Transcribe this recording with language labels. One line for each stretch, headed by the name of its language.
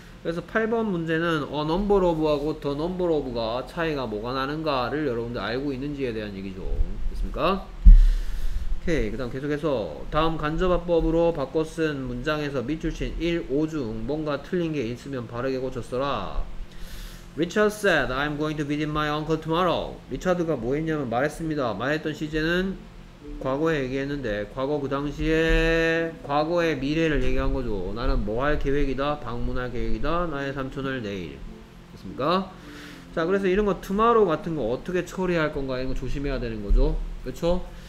Korean: 그래서 8번 문제는 a number of하고 the number of가 차이가 뭐가 나는가를 여러분들 알고 있는지에 대한 얘기죠. 됐습니까? 오케이 그 다음 계속해서 다음 간접화법으로 바꿔 쓴 문장에서 밑줄친 1, 5 중 뭔가 틀린 게 있으면 바르게 고쳤어라.
English: Richard said I'm going to visit my uncle tomorrow.
Korean: 리차드가 뭐 했냐면 말했습니다. 말했던 시제는 과거에 얘기했는데 과거 그 당시에 과거의 미래를 얘기한 거죠. 나는 뭐 할 계획이다? 방문할 계획이다? 나의 삼촌을 내일. 됐습니까? 자 그래서 이런 거 tomorrow 같은 거 어떻게 처리할 건가 이런 거 조심해야 되는 거죠. 그렇죠?